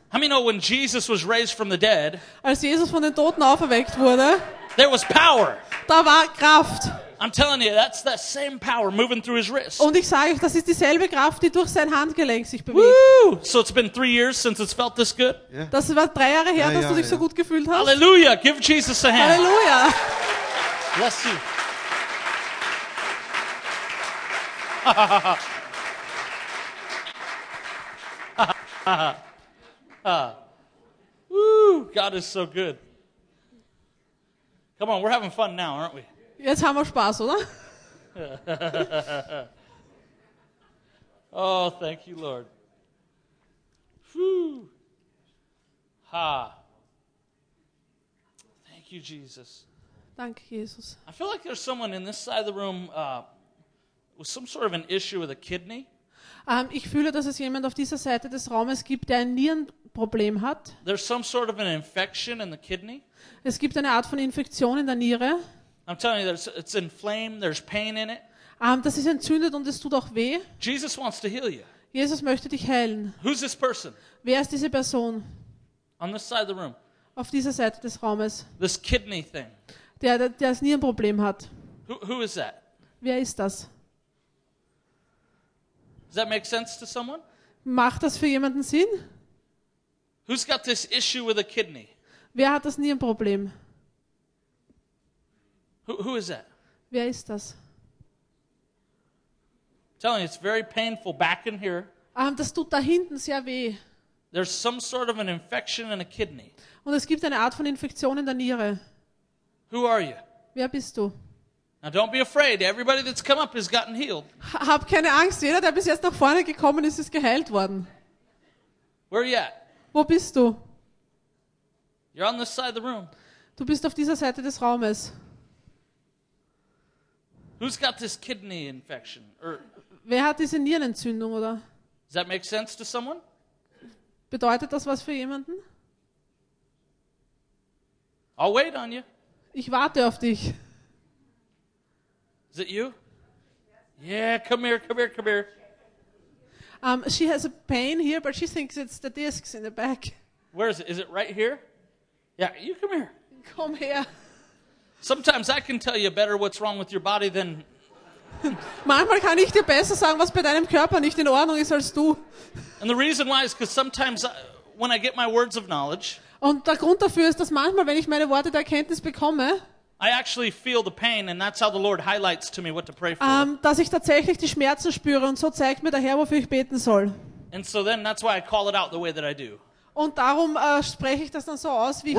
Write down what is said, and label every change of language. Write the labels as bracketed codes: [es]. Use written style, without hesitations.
[en] How many know when Jesus was raised from the dead? [de] Als Jesus von den Toten auferweckt wurde. [en] There was power. [de] Da war Kraft. [en] I'm telling you, that's that same power moving through his wrist. [de] Und ich sage euch, das ist dieselbe Kraft, die durch sein Handgelenk sich bewegt. Woo! [en] So it's been 3 years since it's felt this good. [de] Yeah. Das war 3 Jahre her, dass du dich so gut gefühlt hast. [en] Hallelujah! Give Jesus a hand. Hallelujah! Bless you. Woo! God is so good. Come on, we're having fun now, aren't we? [de] Jetzt haben wir Spaß, oder? [en] Oh, thank you, Lord. Whew. Ha. Thank you, Jesus. [de] Danke, Jesus. [en] I feel like there's someone in this side of the room with some sort of an issue with a kidney. [de] Ich fühle, dass es jemand auf dieser Seite des Raumes gibt, der ein Nierenproblem hat. [en] There's some sort of an infection in the kidney. [de] Es gibt eine Art von Infektion in der Niere. [en] I'm telling you, it's inflamed, there's pain in it. [de] Das ist entzündet und es tut auch weh. [en] Jesus wants to heal you. [de] Jesus möchte dich heilen. [en] Who's this person? [de] Wer ist diese Person? [en] On this side of the room. [de] Auf dieser Seite des Raumes. [en] This kidney thing. [de] Der das Nierenproblem hat. [en] Who is that? [de] Wer ist das? [en] Does that make sense to someone? [de] Macht das für jemanden Sinn? [en] Who's got this issue with a kidney? [de] Wer hat das Nierenproblem? [en] Who is that? [de] Wer ist das? [en] I'm telling you, it's very painful back in here. [de] Das tut da hinten sehr weh. [en] There's some sort of an infection in a kidney. [de] Und es gibt eine Art von Infektion in der Niere. [en] Who are you? [de] Wer bist du? [en] Now don't be afraid. Everybody that's come up has gotten healed. [de] Hab keine Angst. Jeder, der bis jetzt nach vorne gekommen ist, ist geheilt worden. [en] Where are you at? [de] Wo bist du? [en] You're on this side of the room. [de] Du bist auf dieser Seite des Raumes. [en] Who's got this kidney infection? [de] Wer hat diese Nierenentzündung, oder? [en] Does that make sense to someone? [de] Bedeutet das was für jemanden? [en] I'll wait on you. [de] Ich warte auf dich. [en] Is it you? Yeah, come here. She has a pain here, but she thinks it's the discs in the back. Where is it? Is it right here? Yeah, you come here. [de] Komm her. [en] Sometimes I can tell you better what's wrong with your body than. [de] Manchmal kann ich dir besser sagen, was bei deinem Körper nicht in Ordnung ist als du. [en] And the reason why is because sometimes when I get my words of knowledge. [de] Und der Grund dafür ist, dass manchmal, wenn ich meine Worte der Erkenntnis bekomme, [en] I actually feel the pain, and that's how the Lord highlights to me what to pray for. [de] Dass ich tatsächlich die Schmerzen spüre, und so zeigt mir der Herr, wofür ich beten soll. [en] And so then, that's why I call it out the way that I do. [de] Und darum spreche ich das dann so aus, wie ich